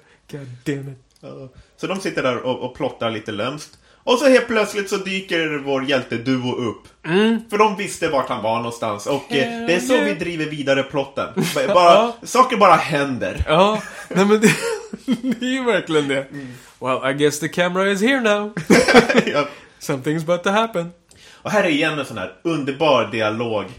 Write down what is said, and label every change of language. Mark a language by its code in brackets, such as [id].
[en] God damn it. [sv] Så de sitter där och plottar lite lömskt. Och så helt plötsligt så dyker vår hjälte Duo upp. Mm. För de visste vart han var någonstans. Och det är så vi driver vidare plotten. Bara, saker bara händer. Ja, nej, men det är ju verkligen det. Mm. [en] Well, I guess the camera is here now. Yep. Something's about to happen. [sv] Och här är igen en sån här underbar dialog.